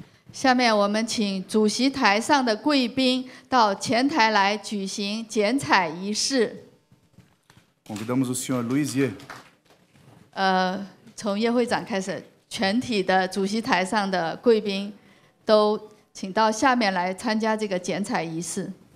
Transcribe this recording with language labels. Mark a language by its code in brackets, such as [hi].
[zh] 下面我们请主席台上的贵宾到前台来举行剪彩仪式。 [pt] Convidamos o senhor Luiz Ye. [zh] 从叶会长开始，全体的主席台上的贵宾都请到下面来参加这个剪彩仪式。